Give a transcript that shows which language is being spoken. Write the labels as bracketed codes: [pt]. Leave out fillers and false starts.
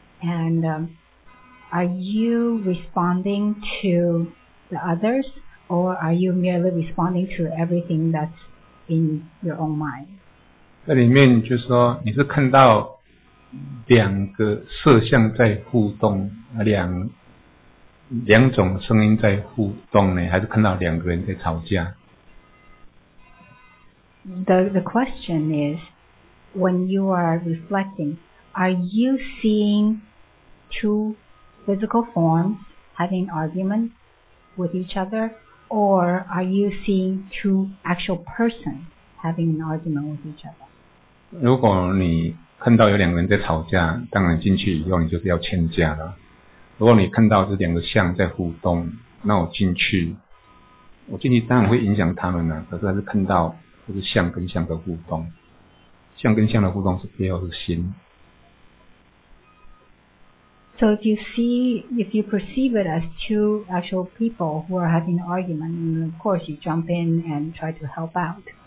[en] And are you responding to the others, or are you merely responding to everything that's in your own mind? [zh] 这里面就是说你是看到两个色相在互动，两种声音在互动呢，还是看到两个人在吵架？ [en] The question is, when you are reflecting, are you seeing two physical forms having argument with each other, or are you seeing two actual persons having an argument with each other? [zh] 如果你看到有两个人在吵架，当然进去以后你就是要劝架了。如果你看到这两个像在互动，那我进去当然会影响他们了，可是还是看到就是相跟相的互动，相跟相的互动是背后是心。 [en] So if you perceive it as two actual people who are having an argument, then of course you jump in and try to help out.